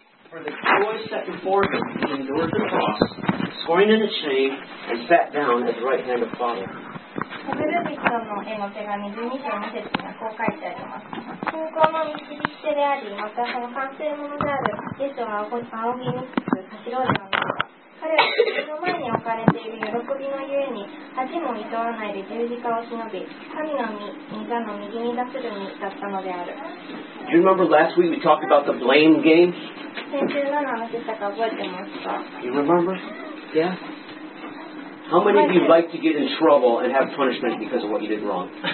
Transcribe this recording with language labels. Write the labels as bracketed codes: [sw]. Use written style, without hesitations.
[en] for the joy set before him, he endured the cross, scorning its shame, and sat down at the right hand of the Father. [ja] ヘブル人の絵の手紙12章2節にはこう書いてあります。信仰の導き手であり、またその完成者であるイエスを仰ぎにつつ走ろうとなった。彼は自分の前に置かれている喜びのゆえに恥も厭わないで十字架を忍び、神の御座の右に出するに至ったのである。 [en] Do you remember last week we talked about the blame game? [ja] 先週何の話したか覚えてますか? [en] You remember? Yeah? How many of you like to get in trouble and have punishment because of what you did wrong?